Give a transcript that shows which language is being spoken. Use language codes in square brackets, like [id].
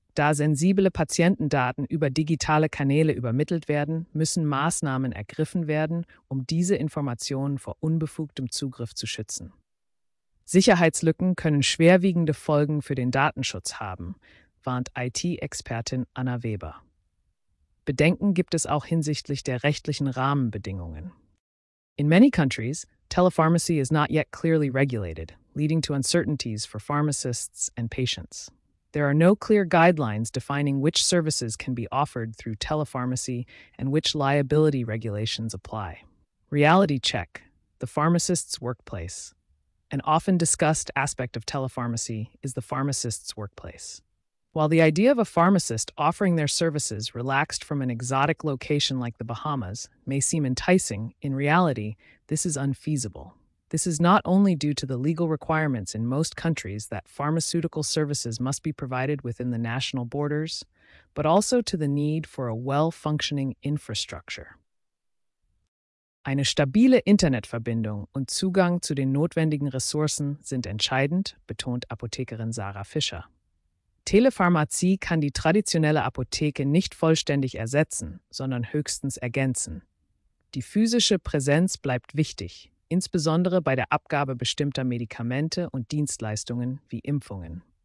[de] Da sensible Patientendaten über digitale Kanäle übermittelt werden, müssen Maßnahmen ergriffen werden, um diese Informationen vor unbefugtem Zugriff zu schützen. Sicherheitslücken können schwerwiegende Folgen für den Datenschutz haben, warnt IT-Expertin Anna Weber. Bedenken gibt es auch hinsichtlich der rechtlichen Rahmenbedingungen. [en] In many countries, telepharmacy is not yet clearly regulated, leading to uncertainties for pharmacists and patients. There are no clear guidelines defining which services can be offered through telepharmacy and which liability regulations apply. Reality check: the pharmacist's workplace. An often discussed aspect of telepharmacy is the pharmacist's workplace. While the idea of a pharmacist offering their services relaxed from an exotic location like the Bahamas may seem enticing, in reality, this is unfeasible. This is not only due to the legal requirements in most countries that pharmaceutical services must be provided within the national borders, but also to the need for a well-functioning infrastructure. [de] Eine stabile Internetverbindung und Zugang zu den notwendigen Ressourcen sind entscheidend, betont Apothekerin Sarah Fischer. Telepharmazie kann die traditionelle Apotheke nicht vollständig ersetzen, sondern höchstens ergänzen. Die physische Präsenz bleibt wichtig, insbesondere bei der Abgabe bestimmter Medikamente und Dienstleistungen wie Impfungen.